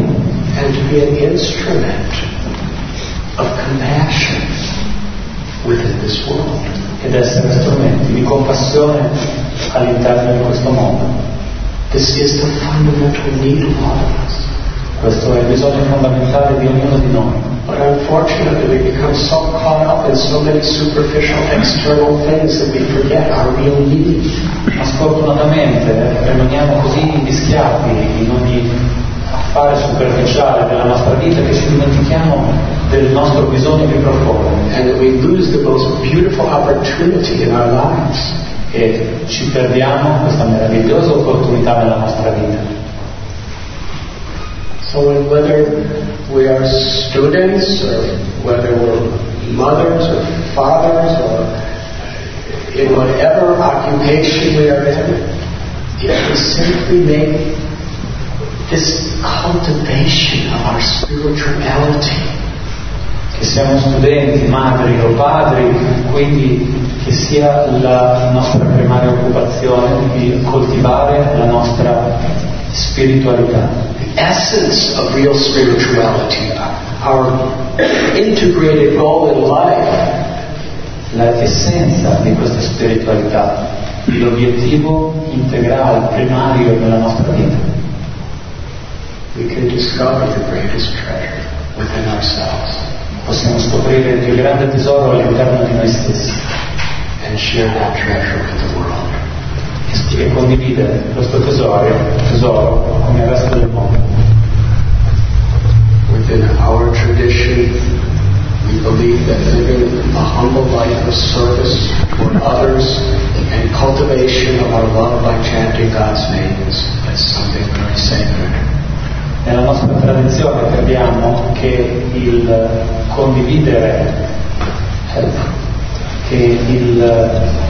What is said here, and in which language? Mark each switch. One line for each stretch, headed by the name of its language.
English: And to be an instrument of compassion within this world.
Italian: Ed essere strumenti di compassione all'interno di questo mondo.
English: This is the fundamental need of all of us.
Italian: Questo è il bisogno fondamentale di ognuno di noi.
English: But unfortunately we become so caught up in so many superficial external things that we forget our real need.
Italian: Ma sfortunatamente rimaniamo così invischiati in ogni affare superficiale della nostra vita che ci dimentichiamo del nostro bisogno più profondo.
English: And that we lose the most beautiful opportunity in our lives.
Italian: E ci perdiamo questa meravigliosa opportunità nella nostra vita.
English: So whether we are students or whether we're mothers or fathers or in whatever occupation we are in, if we simply make this cultivation of our spirituality.
Italian: Che siamo studenti, madri o padri, quindi che sia la nostra primaria occupazione di coltivare la nostra spiritualità.
English: It essence of real spirituality, our integrated role in life,
Italian: la essenza di questa spiritualità, l'obiettivo integrale primario della nostra vita.
English: We can discover the greatest treasure within ourselves.
Italian: Possiamo scoprire il più grande tesoro all'interno di noi stessi.
English: And share that treasure with the world.
Italian: E condividere questo tesoro con il resto del mondo.
English: Within our tradition, we believe that living a humble life of service for others and cultivation of our love by chanting God's name is something very sacred.
Italian: Nella nostra tradizione crediamo che il condividere, che il